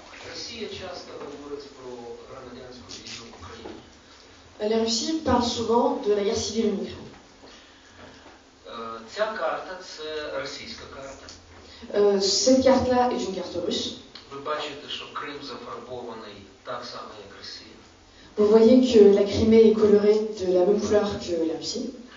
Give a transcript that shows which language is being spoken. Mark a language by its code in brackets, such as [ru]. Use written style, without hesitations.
[uk] Росія часто говорить про громадянську війну в Україні. [fr] La Russie parle souvent de la guerre civile en Ukraine. [uk] Ця карта це російська карта. [fr] Cette carte-là est une carte russe. [uk] Ви бачите, що Крим зафарбований так само, як Росія. [fr] Vous voyez que la Crimée est colorée de la même couleur que la Russie.